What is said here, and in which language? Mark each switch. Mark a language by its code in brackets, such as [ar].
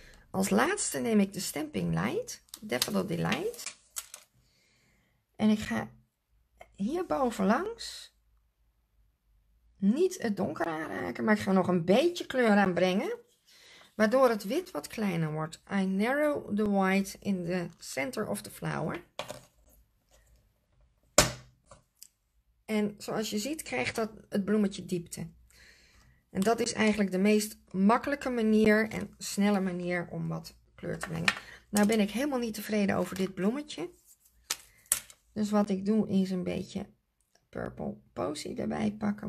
[nl] Als laatste neem ik de Stamping Light, Daffodil Delight. En ik ga hierboven langs niet het donker aanraken, maar ik ga nog een beetje kleur aanbrengen. Waardoor het wit wat kleiner wordt. [en] I narrow the white in the center of the flower. [nl] En zoals je ziet krijgt dat het bloemetje diepte. En dat is eigenlijk de meest makkelijke manier en snelle manier om wat kleur te brengen. Nou ben ik helemaal niet tevreden over dit bloemetje. Dus wat ik doe is een beetje purple posy erbij pakken.